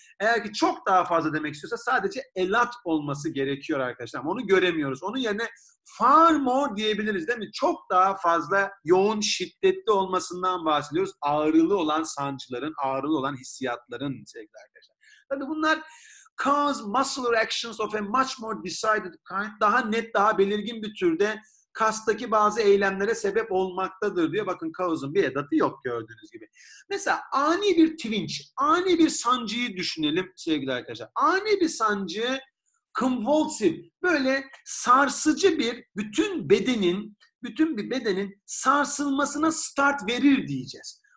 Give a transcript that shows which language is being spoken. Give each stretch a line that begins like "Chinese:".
Turkish: Eğer ki çok daha fazla demek istiyorsa sadece elat olması gerekiyor arkadaşlar. Onu göremiyoruz. Onun yerine far more diyebiliriz değil mi? Çok daha fazla yoğun, şiddetli olmasından bahsediyoruz. Ağrılı olan sancıların, ağrılı olan hissiyatların sevgili arkadaşlar. Tabii bunlar
English: cause, muscular actions of a much more decided kind.
Turkish: Daha net, daha belirgin bir türde kastaki bazı eylemlere sebep olmaktadır diyor. Bakın cause'un bir edatı yok gördüğünüz gibi. Mesela ani bir twinge, ani bir sancıyı düşünelim sevgili arkadaşlar. Ani bir sancı, convulsive, böyle sarsıcı bir bütün bir bedenin sarsılmasına start verir diyeceğiz.